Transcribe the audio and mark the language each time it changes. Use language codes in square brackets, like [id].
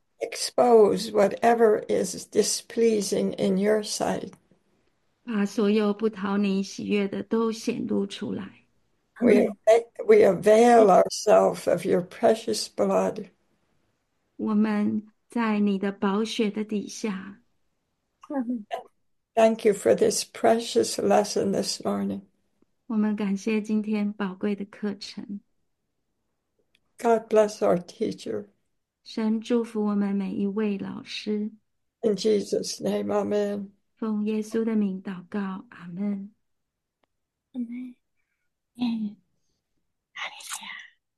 [en] Expose whatever is displeasing in your sight. [zh] 把所有不讨你喜悦的都显露出来。阿 [en] We [zh] 门。 [en] avail ourselves of your precious blood. [zh] 我们在你的宝血的底下。阿门。 [en] Thank you for this precious lesson this morning. [zh] 我们感谢今天宝贵的课程。 [en] God bless our teacher. [zh] 神祝福我们每一位老师。 [en] In Jesus' name, Amen. [zh] 奉耶稣的名祷告，阿门。 Amen. 哈利路亚。